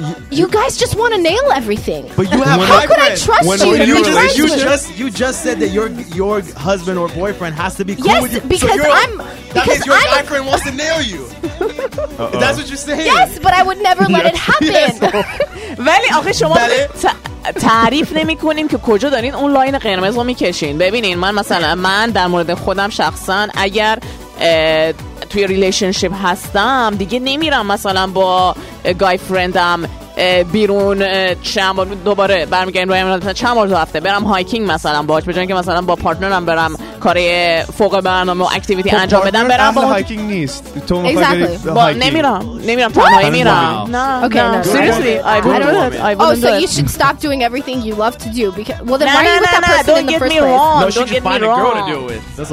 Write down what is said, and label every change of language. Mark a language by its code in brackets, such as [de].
[en] You guys just want to nail everything. But you have how could I trust you? You just said that your husband or boyfriend has to be cool with you. Yes, because your guy friend wants to nail you. Uh-oh. That's what you're saying. Yes, but I would never let it happen. [fa] ولی آخه شما تعریف نمی کنین که کجا دارین اون لاین قرمز رو می کشین. ببینین، من در مورد خودم شخصا اگر توی ریلیشنشپ هستم، دیگه نمیرم مثلا با گای فرندم بیرون چند بار، دوباره برمیگردیم روی همین، چند بار دو هفته برم هایکینگ مثلا باهاش، به جای اینکه مثلا با پارتنرم برم کاری فوق برنامه و اکتیویتی انجام بدم، برم با هایکینگ نیست تو مخاطب exactly. با نمیرم تنهایی میرم. [en] So you should stop doing everything you love to do, because well then why are you with that person in the first place?